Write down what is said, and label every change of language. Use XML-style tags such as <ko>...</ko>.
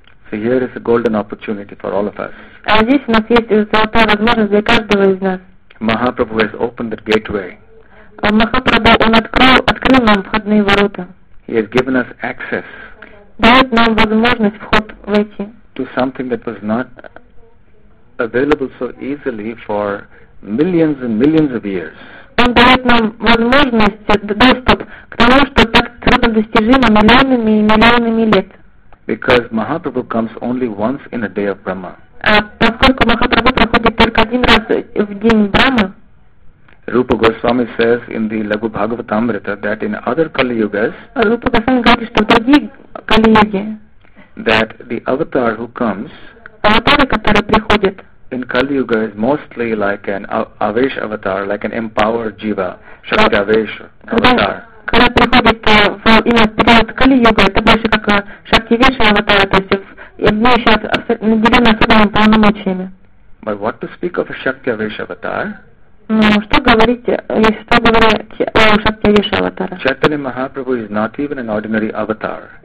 <en>So here is a golden opportunity for all of us.</en> <ru>А здесь у нас есть золотая возможность для каждого из нас.</ru> <en>Mahaprabhu has opened the gateway.</en> <ru>Махапрабху, он открыл нам входные ворота.</ru> <en>He has given us access.</en> <ru>Дает нам возможность вход войти.</ru> <en>To something that was not available so easily for millions and millions of years.</en> <ru>Он дает нам возможность, доступ к тому, что так труднодостижимо миллионами и миллионами лет.</ru> <en>Because Mahaprabhu comes only once in a day of Brahma.</en> <ru>А поскольку Махапрабху проходит только один раз в день Брахмы.</ru> <en>Rupa Goswami says in the Laghu Bhagavatamrita that in other Kali Yugas,</en> <ru>Rupa Goswami говорит, что в других Kali Yuge,</ru> <en>that the avatar who comes,</en> <ru>аватары, которые приходят,</ru> <en>in Kali Yuga is mostly like an Avesh avatar, like an empowered Jiva, Shakti Avesh avatar.</en> <ru>Когда приходит именно в период Kali Yuga, это больше как Shakti Avesh avatar, то есть имеющий наделенный особыми полномочиями.</ru> <en>But what to speak of a Shakti Avesh avatar?</en> <ru>Ну, что говорить, если что говорить о Шактивеше аватаре?</ru> <en>Chaitanya Mahaprabhu is not even an ordinary avatar.</en>